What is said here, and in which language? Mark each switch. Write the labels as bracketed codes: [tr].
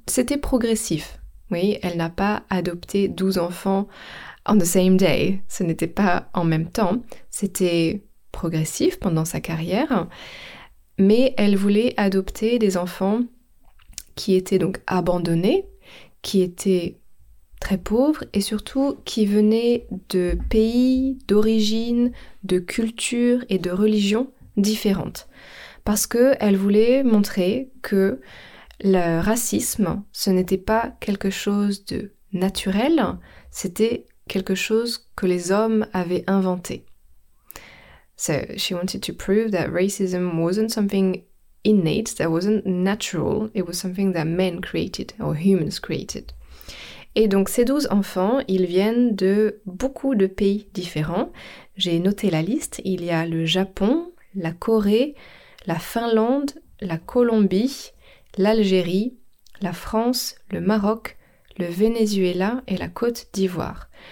[fr] C'était progressif, oui, elle n'a pas adopté 12 enfants [en] on the same day, [fr] ce n'était pas en même temps, c'était progressif pendant sa carrière, mais elle voulait adopter des enfants qui étaient donc abandonnés, qui étaient très pauvres et surtout qui venaient de pays, d'origine, de culture et de religion différentes. Parce qu'elle voulait montrer que le racisme, ce n'était pas quelque chose de naturel, c'était quelque chose que les hommes avaient inventé. [en] So she wanted to prove that racism wasn't something innate, that wasn't natural, it was something that men created or humans created. [fr] Et donc ces 12 enfants, ils viennent de beaucoup de pays différents. J'ai noté la liste, il y a le Japon, la Corée, la Finlande, la Colombie, l'Algérie, la France, le Maroc, le Venezuela et la Côte d'Ivoire.